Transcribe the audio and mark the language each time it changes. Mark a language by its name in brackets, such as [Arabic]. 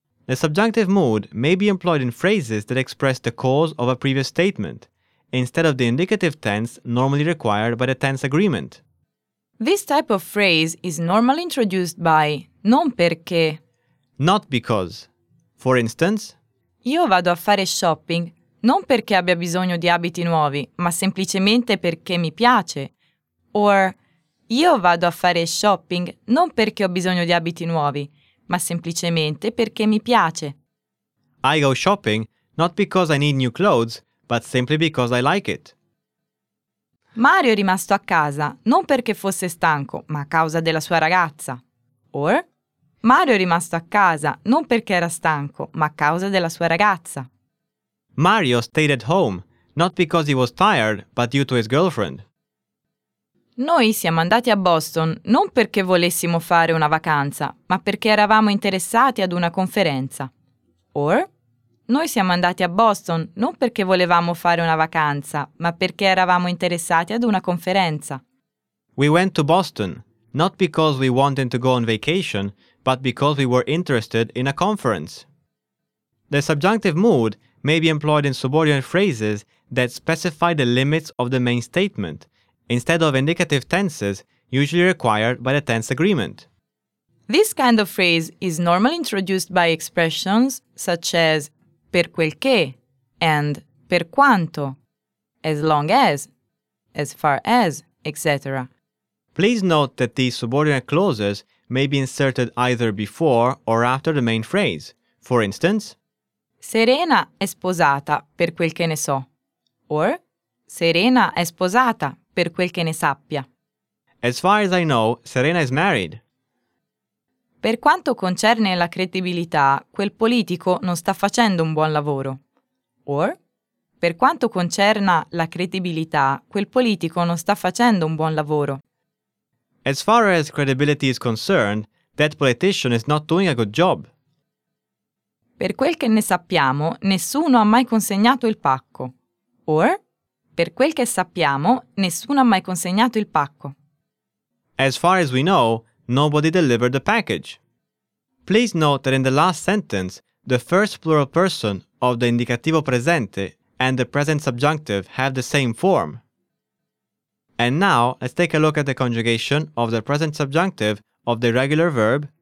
[English] The subjunctive mood may be employed in phrases that express the cause of a previous statement, instead of the indicative tense normally required by the tense agreement. This type of phrase is normally introduced by non perché. Not because. For instance, [Italian] io vado a fare shopping non perché abbia bisogno di abiti nuovi, ma semplicemente perché mi piace. Or, io vado a fare shopping non perché ho bisogno di abiti nuovi, ma semplicemente perché mi piace. [English] I go shopping not because I need new clothes, but simply because I like it. [Italian] Mario è rimasto a casa non perché fosse stanco, ma a causa della sua ragazza. Or, Mario è rimasto a casa non perché era stanco, ma a causa della sua ragazza. [English] Mario stayed at home not because he was tired, but due to his girlfriend. [Italian] Noi siamo andati a Boston non perché volessimo fare una vacanza, ma perché eravamo interessati ad una conferenza. Or, noi siamo andati a Boston non perché volevamo fare una vacanza, ma perché eravamo interessati ad una conferenza. [English] We went to Boston not because we wanted to go on vacation, but because we were interested in a conference. The subjunctive mood may be employed in subordinate phrases that specify the limits of the main statement, instead of indicative tenses usually required by the tense agreement. This kind of phrase is normally introduced by expressions such as per quel che and per quanto, as long as far as, etc. Please note that these subordinate clauses may be inserted either before or after the main phrase. For instance, [Italian] Serena è sposata per quel che ne so. Or, Serena è sposata per quel che ne sappia. [English] As far as I know, Serena is married. [Italian] Per quanto concerne la credibilità, quel politico non sta facendo un buon lavoro. Or, per quanto concerna la credibilità, quel politico non sta facendo un buon lavoro. [English] As far as credibility is concerned, that politician is not doing a good job. [Italian] Per quel che ne sappiamo, nessuno ha mai consegnato il pacco. Or, per quel che sappiamo, nessuno ha mai consegnato il pacco. [English] As far as we know, nobody delivered the package. Please note that in the last sentence, the first plural person of the indicativo presente and the present subjunctive have the same form. And now, let's take a look at the conjugation of the present subjunctive of the regular verb